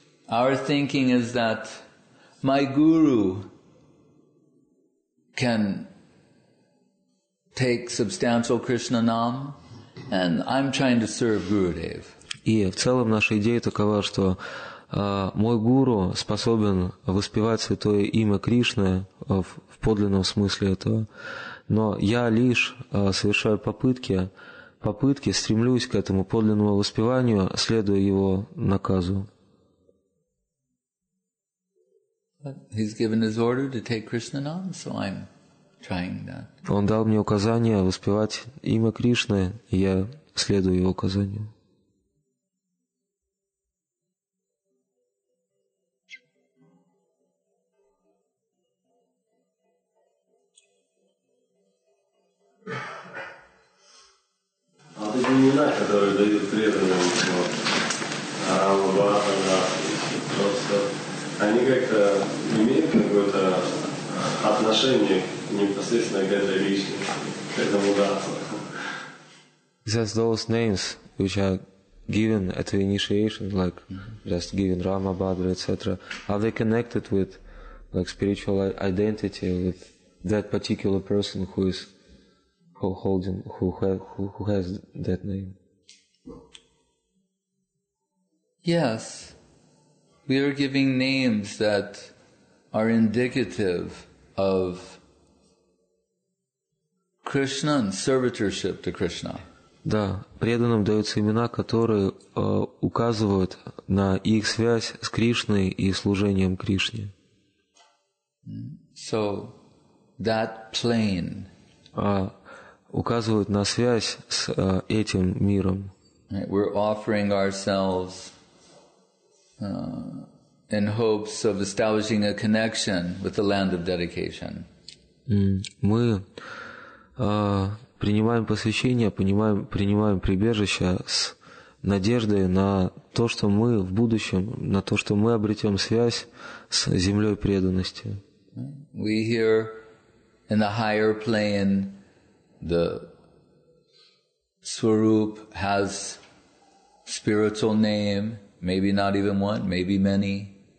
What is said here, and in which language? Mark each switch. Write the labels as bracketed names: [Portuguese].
[English] Our thinking is that my guru can take substantial Krishna nam, and I'm trying to serve Gurudev. [Russian] И в целом наша идея такова, что мой гуру способен воспевать святое имя Кришны в подлинном смысле этого, но я лишь совершаю попытки, стремлюсь к этому подлинному воспеванию, следуя его наказу. [English] He's given his order to take Krishna nam, so I'm trying that. [Russian] Он дал мне указание воспевать имя Кришны, и я следую его указанию. А вот эти имена, которые дают преданные, вот, Рамабхана, просто... Они как-то имеют какое-то отношение непосредственно к этой личности, к этому дату. [English] Those names which are given at the initiation, like just given Rama, Bhadra, etc., are they connected with like spiritual identity with that particular person who is holding who has that name? Yes. We are giving names that are indicative of Krishna and servitorship to Krishna. [Russian] Да, преданным даются имена, которые указывают на их связь с Кришной и служением Кришне. [English] So that plane. [Russian] Указывают на связь с этим миром. [English] We're offering ourselves in hopes of establishing a connection with the land of dedication. [Russian] Мы принимаем посвящение, принимаем прибежище с надеждой на то, что мы в будущем, на то, что мы обретем связь с землей преданности. [English] We hear in the higher plane the Swarup has spiritual name, maybe not even one, maybe many.